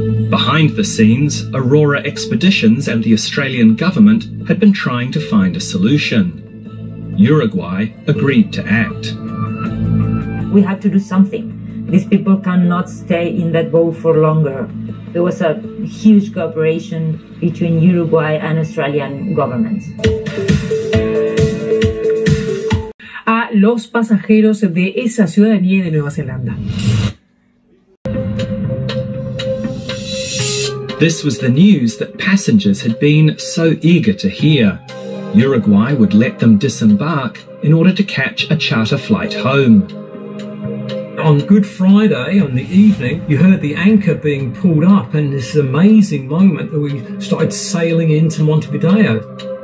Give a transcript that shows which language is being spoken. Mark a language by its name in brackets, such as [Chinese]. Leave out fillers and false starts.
[English] Behind the scenes, Aurora Expeditions and the Australian government had been trying to find a solution. Uruguay agreed to act. We have to do something. These people cannot stay in that boat for longer. There was a huge cooperation between Uruguay and Australian governments. [Spanish] A los pasajeros de esa ciudadanía de Nueva Zelanda. [English] This was the news that passengers had been so eager to hear. Uruguay would let them disembark in order to catch a charter flight home. On Good Friday, on the evening, you heard the anchor being pulled up and this amazing moment that we started sailing into Montevideo.